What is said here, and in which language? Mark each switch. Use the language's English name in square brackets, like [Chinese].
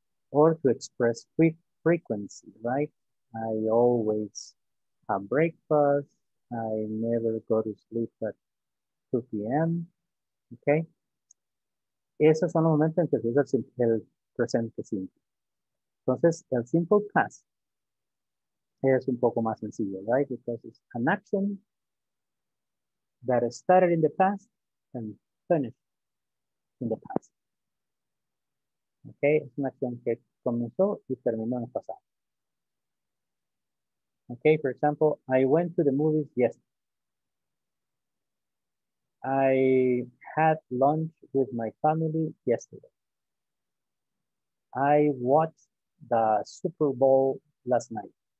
[English] Or to express frequency, right? I always have breakfast. I never go to sleep at 2 p.m., okay? [Spanish] Esos son los momentos en que se usa el presente simple. Entonces, el simple past es un poco más sencillo, right? [English] Because it's an action that started in the past and finished in the past. [Spanish] Okay, es una acción que comenzó y terminó en el pasado. [English] Okay, for example, I went to the movies yesterday. I had lunch with my family yesterday. I watched the Super Bowl last night.